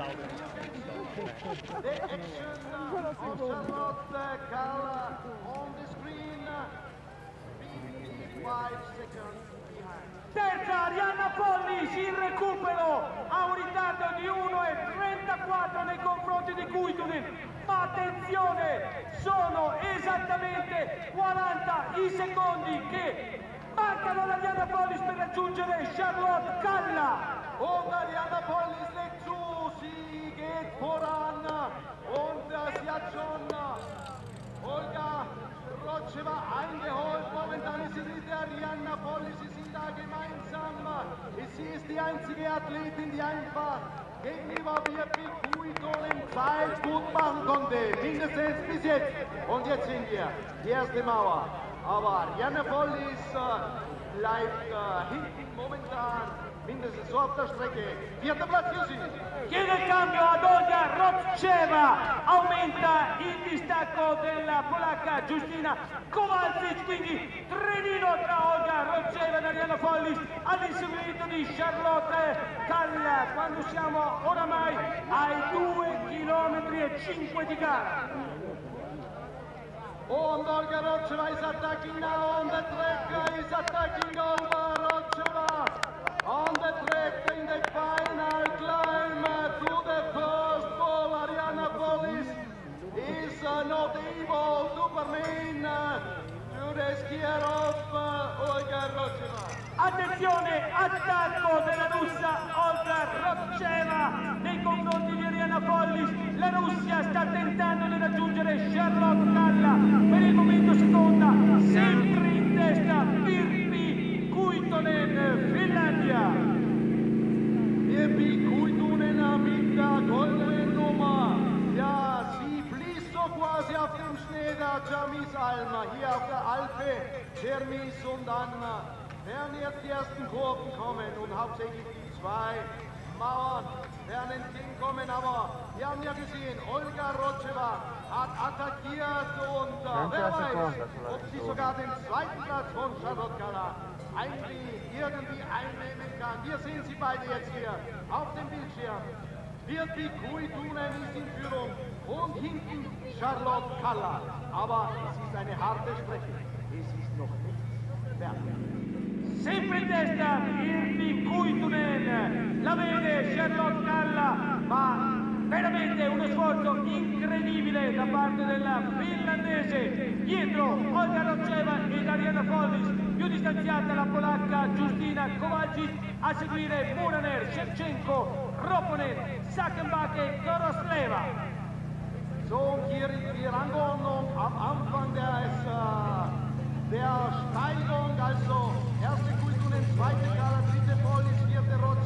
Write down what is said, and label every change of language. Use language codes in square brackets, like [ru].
[en] The action of Charlotte Calla on the screen, 5 seconds. [it] Terza, Arianna Pollis, il recupero ha un ritardo di 1.34 nei confronti di Kuitunen, ma attenzione, sono esattamente 40 i secondi che mancano ad Arianna Pollis per raggiungere Charlotte Calla. [de] Und Arianna Pollis legt zu, sie geht voran und sie hat schon Olga Rotschewa eingeholt. Momentan ist sie mit Arianna Pollis, sie sind da gemeinsam. Sie ist die einzige Athletin, die einfach gegenüber Virpi Kuitunen Zeit gut machen konnte, mindestens bis jetzt. Und jetzt sind wir, die erste Mauer. Aber Arianna Pollis bleibt hinten momentan. Mindestens so auf der Strecke, vierter Platz für sie. [it] Chiede il cambio ad Olga Rotschewa, aumenta il distacco della polacca Giustina Kowalczyk, quindi trenino tra Olga Rotschewa e Arianna Pollis all'inseguimento di Charlotte Calla, quando siamo oramai ai 2 km e 5 di gara. [en] Und Olga Rotschewa is attacking now on the track, is attacking Olga Rotschewa. On the track in the final climb to the first pole, Arianna Pollis is not able to permit to the skier of Olga Rotschewa. [it] Attenzione, attacco della russa Olga Rotschewa nei confronti di Arianna Pollis. La Russia sta tentando di raggiungere Charlotte Calla, per il momento seconda, sempre in testa Virpi Kuitunen, Finlandia. [de] Virpi Kuitunen mit der goldenen Nummer. Ja, sie fließt so quasi auf dem Schnee der Germis Alm, hier auf der Alpe Germis und dann werden jetzt die ersten Kurven kommen und hauptsächlich die zwei Mauern werden entgegenkommen, aber wir haben ja gesehen, Olga Rotschewa hat attackiert und wer weiß, ob sie sogar den zweiten Platz von Charlotte Calla irgendwie einnehmen kann. Wir sehen sie beide jetzt hier auf dem Bildschirm. Virpi Kuitunen ist in Führung und hinten Charlotte Calla. Aber es ist eine harte Strecke, es ist noch nicht fertig. [it] Sempre in testa Virpi Kuitunen, la vede Charlotte Calla, ma veramente uno sforzo incredibile da parte della finlandese, dietro Olga Rotschewa e Arianna Pollis, più distanziata la polacca Giustina Kowalczyk, a seguire Muraner, Shevchenko, Roponen, Sackenbach e Korosleva. [de] So, hier in die Rangordnung am Anfang der Steigung, also erste Kuitunen, zweite Calla, dritte Pollis, vierte